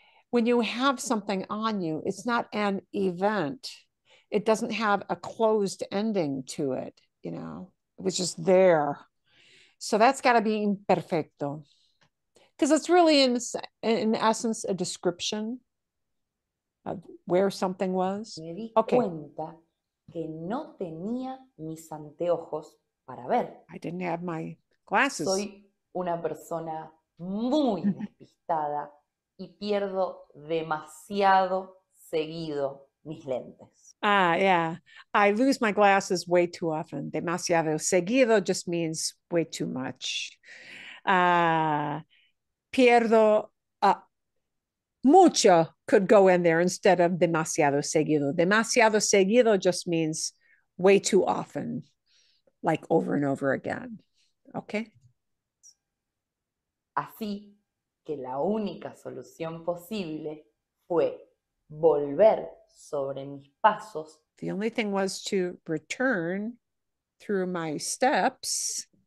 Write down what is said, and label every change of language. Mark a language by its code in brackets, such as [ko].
[en] When you have something on you, it's not an event. It doesn't have a closed ending to it, you know? It was just there. So that's got to be imperfecto. Because it's really, in essence, a description of where something was. [es] Me di cuenta que no tenía mis anteojos para ver. [en] I didn't have my glasses. [es] Soy una persona muy despistada y pierdo demasiado seguido mis lentes. [en] Ah, yeah. I lose my glasses way too often. Demasiado seguido just means way too much. Pierdo mucho could go in there instead of demasiado seguido. Demasiado seguido just means way too often, like over and over again. Okay? [es] Así que la única solución posible fue volver sobre mis pasos. [en] The only thing was to return through my steps.